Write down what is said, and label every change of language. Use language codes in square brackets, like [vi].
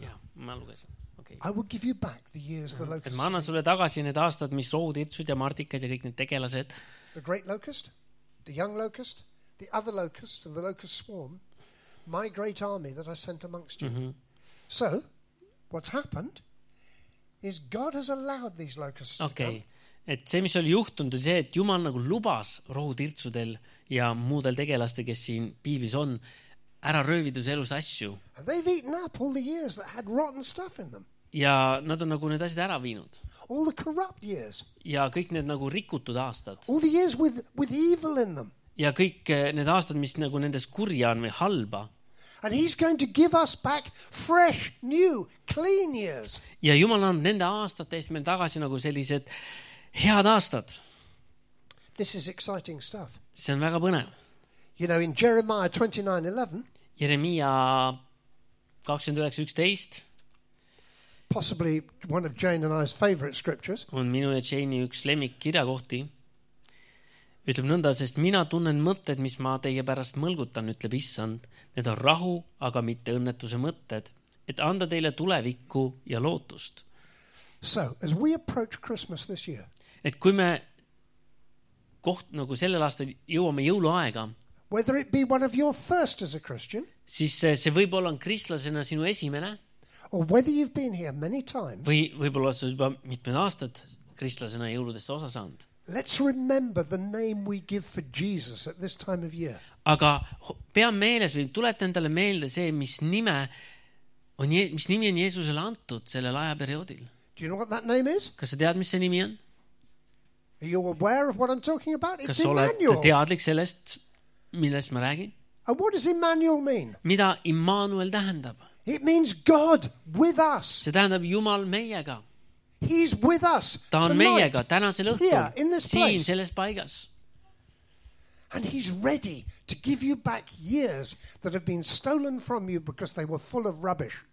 [et] Yeah, ma lugesin. Okay. [en] I will give you back the years the locust. [et] Et ma annan sulle tagasi need aastad, mis rohutirtsud ja martikad ja kõik need tegelased. [en] The great locust, the young locust, the other locust and the locust swarm, my great army that I sent amongst you. Mm-hmm. So, what's happened is God has allowed these locusts okay. to come. [et] Et see, mis oli juhtunud, on see, et Jumal nagu lubas rohutirtsudel ja muudel tegelaste, kes siin piibis on, ära röövidus elus asju. [en] And they've eaten up all the years that had rotten stuff in them. [et] Ja nad on nagu need asjad ära viinud. [en] All the corrupt years. [et] Ja kõik need nagu rikutud aastad. [en] All the years with evil in them. [et] Ja kõik need aastad, mis nagu nendes kurja on või halba. [en] And he's going to give us back fresh, new, clean years. [et] Ja Jumal on nende aastate eest meil tagasi nagu sellised head aastad. [en] This is exciting stuff. [et] See on väga põnev. [en] You know, in Jeremiah 29:11. [et] Jeremia 29:11. [en] Possibly one of Jane and I's favorite scriptures. [et] On minu ja Jane'i üks lemmik kirjakohti. Ütleb nõnda, sest mina tunnen mõtted, mis ma teie pärast mõlgutan, ütleb Issand. Need on rahu, aga mitte õnnetuse mõtted, et anda teile tulevikku ja lootust. [en] So, as we approach Christmas this year, [et] et kui me koht nagu sellel aastal jõuame jõuluaega, [en] whether it be one of your first as a Christian, [et] siis see võib olla on kristlasena sinu esimene, [en] or whether you've been here many times, [et] või võib-olla sa juba mitmed aastad kristlasena jõuludest osa saanud. [en] Let's remember the name we give for Jesus at this time of year. [et] Aga pea meeles või tulete endale meelde see, mis nimi on Jeesusele antud sellel ajaperioodil. [en] Do you know what that name is? [et] Kas sa tead, mis see nimi on? [en] Are you aware of what I'm talking about? It's [et] Kas Emmanuel. Kas oled teadlik sellest, millest ma räägin? [en] And what does Emmanuel mean? [et] Mida Emmanuel tähendab? [en] It means God with us. [et] See tähendab Jumal meiega. [en] He's with us. [et] Ta on meiega tänasel õhtul. [en] Here, in this [et] siin [en] place. [et] Selles paigas. [en] And he's ready to give you back years that have been stolen from you because they were full of rubbish.